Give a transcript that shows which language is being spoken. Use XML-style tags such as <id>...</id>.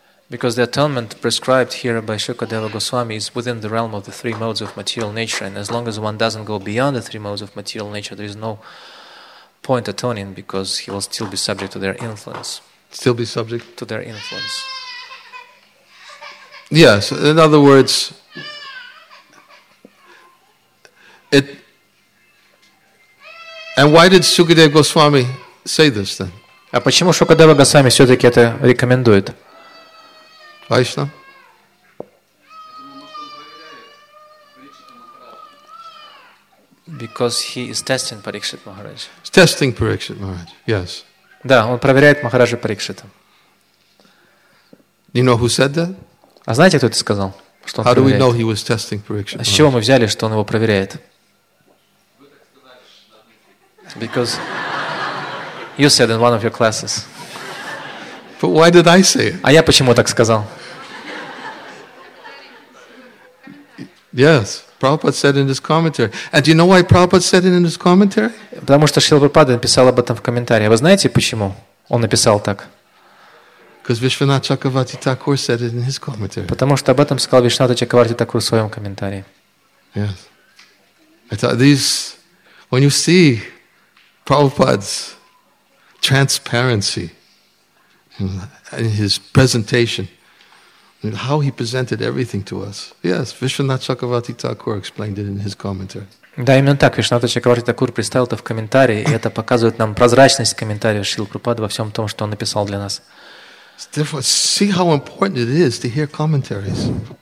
<en>Because the atonement prescribed here by Shukadeva Goswami is within the realm of the three modes of material nature, and as long as one doesn't go beyond the three modes of material nature, there is no point atoning because he will still be subject to their influence. Still be subject to their influence. Yes, in other words, it. And why did Shukadeva Goswami say this then?</en> <ru>А почему Шукадева Госвами все-таки это рекомендует? Вайшна?</ru> <en>Because he is testing Parikshit Maharaj. He's testing Parikshit Maharaj. Yes.</en> <ru>Да, он проверяет Махараджа Парикшита.</ru> <en>You know who said that?</en> <ru>А знаете, кто это сказал? Что он</ru> <en>How</en> <ru>проверяет?</ru> <en>Do we know he was testing Parikshit Maharaj?</en> <ru>А с чего мы взяли, что он его проверяет?</ru> <en>Because you said in one of your classes. But why did I say it?</en> <ru>А я почему так сказал?</ru> <en>Yes, Prabhupada said in his commentary. And do you know why Prabhupada said it in his commentary?</en> <ru>Потому что Шрила Прабхупада написал об этом в комментарии. А вы знаете, почему он написал так?</ru> <en>Because Vishwanath Chakravarti Thakur said it in his commentary.</en> <ru>Потому что об этом сказал Вишванат Чакраварти Такур в своем комментарии.</ru> <en>Yes. I thought these, when you see Prabhupada's transparency in his presentation, how he presented everything to us. Yes, Vishwanath Chakravarti Thakur explained it in his commentary.</en> <ru>Да, именно так. Вишванат Чакраварти Такур представил это в комментарии, и это показывает нам прозрачность комментария Шрилы Прабхупады во всем том, что он написал для нас.</ru> <en>Therefore, see how important it is to hear commentaries.</en>